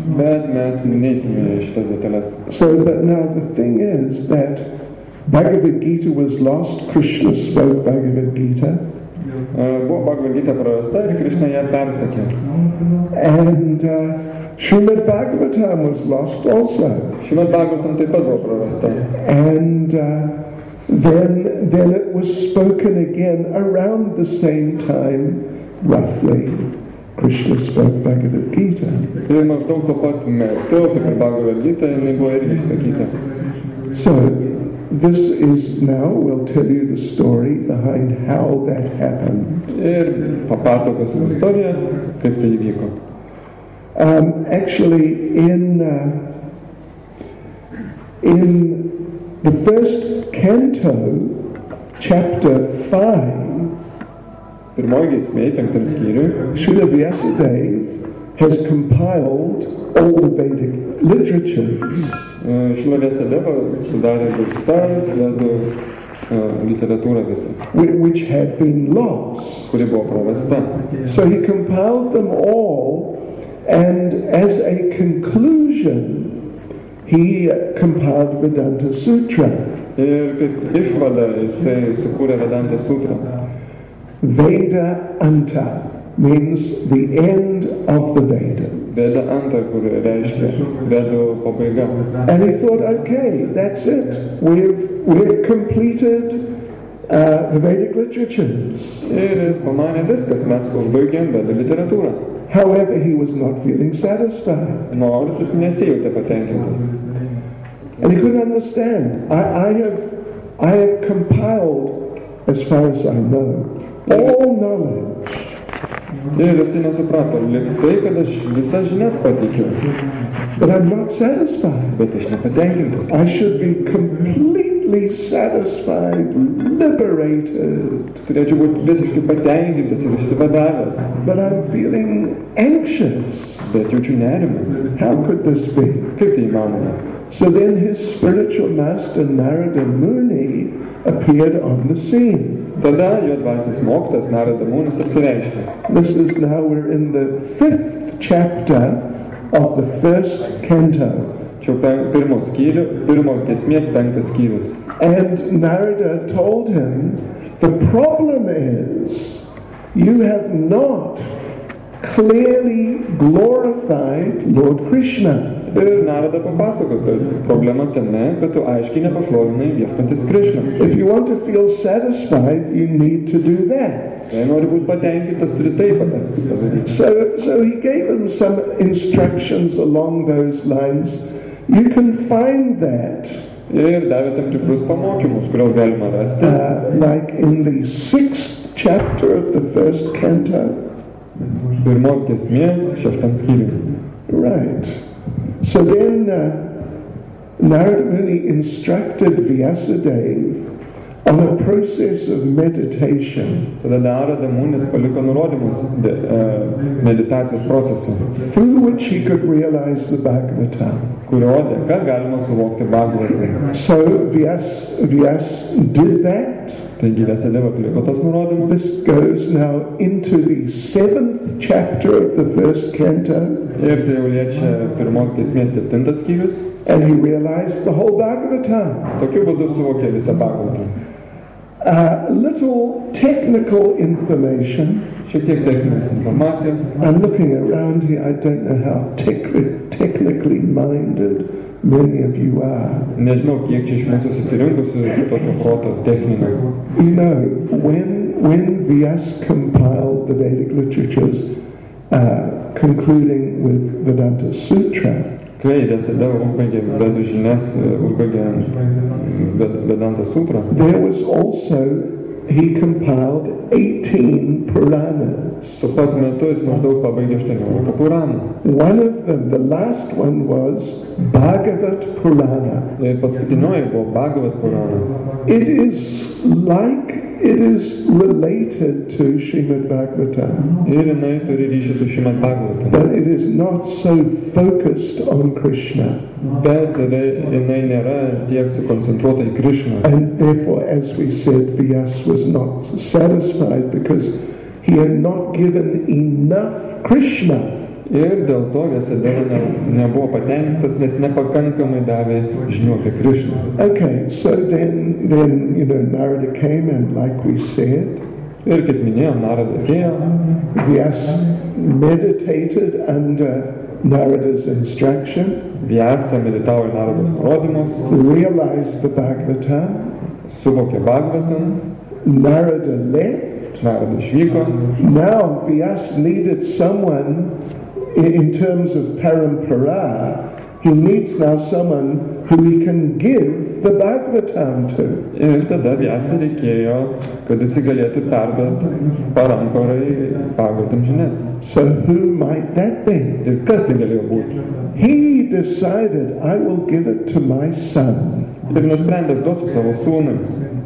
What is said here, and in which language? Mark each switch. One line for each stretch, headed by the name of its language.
Lithuanian: Bet mes neisime šitas detalės.
English: So, but now the thing is that Bhagavad Gita was lost, Krishna spoke Bhagavad Gita.
Lithuanian: Buvo Bhagavad Gita prarasta ir Krishna ją persakė.
English: And Srimad Bhagavatam was lost also.
Lithuanian: Srimad Bhagavatam taip pat buvo prarasta.
English: And then it was spoken again around the same time roughly Krishna spoke Bhagavad Gita.
Lithuanian: Ir maždaug tuo pat metu, kaip ir Bhagavad Gita, jinai buvo irgi sakyta.
English: So, this is now, we'll tell you the story behind how that happened.
Lithuanian: Ir papasakosim istoriją, kaip tai įvyko.
English: Actually, in the first canto, chapter 5,
Lithuanian: pirmoji giesmė, penktame skyriuje,
English: Śrīla Vyāsadeva has compiled all the Vedic literatures.
Lithuanian: Śrīla Vyāsadeva sudarė visas Vedų literatūrą visą,
English: which had been lost.
Lithuanian: Kuri buvo prarasta.
English: So he compiled them all, and as a conclusion, he compiled Vedanta Sutra.
Lithuanian: Ir kaip išvada, jisai sukūrė Vedanta Sutra.
English: Veda Anta means the end of the Veda.
Lithuanian: Veda Anta, kur reiškia Vedų pabaiga.
English: And he thought, okay, that's it. We've completed the Vedic literatures.
Lithuanian: Ir jis pamanė, viskas, mes užbaigėm Vedų literatūrą.
English: However, he was not feeling satisfied.
Lithuanian: Nors jis nesijautė patenkintas.
English: And he couldn't understand. I have compiled, as far as I know, all knowledge.
Lithuanian: Ir jisai nesuprato, lyg tai, kad aš visas žinias pateikiu.
English: But I'm not satisfied.
Lithuanian: Bet aš nepatenkintas.
English: I should be completely satisfied, liberated.
Lithuanian: Turėčiau būti visiškai patenkintas ir išsivadavęs.
English: But I'm feeling anxious.
Lithuanian: Bet jaučiu nerimą.
English: How could this be?
Lithuanian: Kaip tai įmanoma?
English: So then his spiritual master Narada Muni appeared on the scene.
Lithuanian: Tada jo dvasinis mokytas Narada Munis apsireiškė.
English: This is now we're in the fifth chapter of the first canto.
Lithuanian: Čia pirmos giesmės penktas skyrius.
English: And Narada told him, the problem is you have not clearly glorified Lord Krishna.
Lithuanian: Ir Narada papasako, kad problema tame, kad tu aiškiai nepašlovinai viešpaties Krishna.
English: If you want to feel satisfied, you need to do that.
Lithuanian: Jei nori būti patenkintas, turi tai padaryti.
English: So he gave them some instructions along those lines. You can find that.
Lithuanian: Ir davė tam tikrus pamokymus, kuriuos galima rasti.
English: Like in the sixth chapter of the first canto.
Lithuanian: Pirmos giesmės, šeštam skyriui.
English: Right. So then Narada Muni instructed Vyasadeva on a process of meditation.
Lithuanian: Tada Narada Muni paliko nurodymus meditacijos procesu,
English: through which he could realize the Bhagavata.
Lithuanian: Kurio dėka galima suvokti Bhagavata.
English: So Vyas did that.
Lithuanian: Taigi Vyasadeva paliko tos nurodymus.
English: This goes now into the seventh chapter of the first canto.
Lithuanian: Ir tai jau liečia pirmos giesmės septintas skyrius.
English: And he realized the whole Bhagavata.
Lithuanian: Tokiu būdu suvokė visą Bhagavata.
English: A little technical information.
Lithuanian: Šiek tiek techninės informacijos.
English: I'm looking around here, I don't know how technically minded many of you are.
Lithuanian: Nežinau, kiek čia iš mūsų susirinkusių tokio proto techninio.
English: You know, when Vyas compiled the Vedic literatures, concluding with Vedanta Sutra.
Lithuanian: Kai Vyasadeva užbaigė Vedų žinias, užbaigė Vedanta Sutra.
English: There was also, he compiled 18 Puranas.
Lithuanian: Tuo pat metu jis maždaug pabaigė 18 Puranų.
English: One of them, the last one was Bhagavat Purana.
Lithuanian: Ir paskutinioji buvo Bhagavat Purana.
English: It is like, it is related to Srimad Bhagavatam.
Lithuanian: Ir jinai turi ryšį su Srimad Bhagavatam.
English: But it is not so focused on Krishna.
Lithuanian: Bet jinai nėra tiek sukoncentruota į Krishna.
English: And therefore, as we said, Vyas was not satisfied because he had not given enough Krishna.
Lithuanian: Ir dėl to Vyasadeva nebuvo patenkintas, nes nepakankamai davė žinių apie Krishna.
English: Okay, so then you know, Narada came and like we said.
Lithuanian: Ir kaip minėjom, Narada atėjo.
English: Vyas meditated under Narada's instruction.
Lithuanian: Vyas meditavo į Narados nurodymus.
English: Realized the Bhagavatam.
Lithuanian: Suvokė Bhagavatam.
English: Narada left.
Lithuanian: vyko.
English: Now Vyas needed someone in terms of parampara. He needs now someone who he can give the Bhagavatam to.
Lithuanian: Ir tada Vyas reikėjo, kad jis galėtų perduoti paramparai Bhagavatam žinias.
English: So who might that be?
Lithuanian: Ir kas tai galėjo būti?
English: He decided, I will give it to my son.
Lithuanian: Ir nusprendė, duosiu savo sūnui.